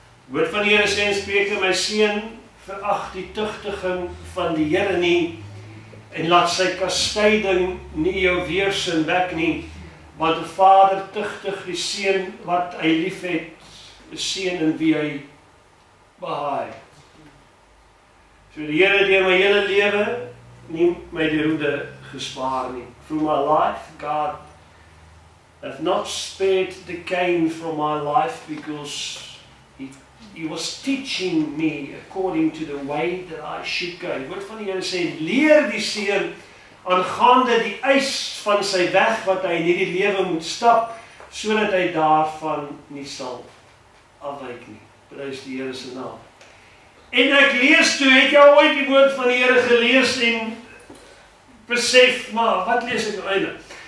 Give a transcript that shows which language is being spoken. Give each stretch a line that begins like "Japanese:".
Afrikaans: Woord van die Here sê en spreek in my seun, veracht die tuchtiging van die Here nie, en laat sy kastyding nie jou weersin wek nie, want die vader tuchtig die seun wat hy lief het, die seun in wie hy behaai. So die Here het my hele lewe nie my die roede gespaar nie.
English: Through my life, God have not spared the Cain from my life, because he was teaching me according to the way that I should go.
Afrikaans: Die woord van die Here sê, leer die seun aangaande die eis van sy weg, wat hy in die lewe moet stap, so dat hy daarvan nie sal afwyk nie. Prys die Here se naam. En ek lees, toe het jy ooit die woord van die Here gelees en besef, maar wat lees ek uit?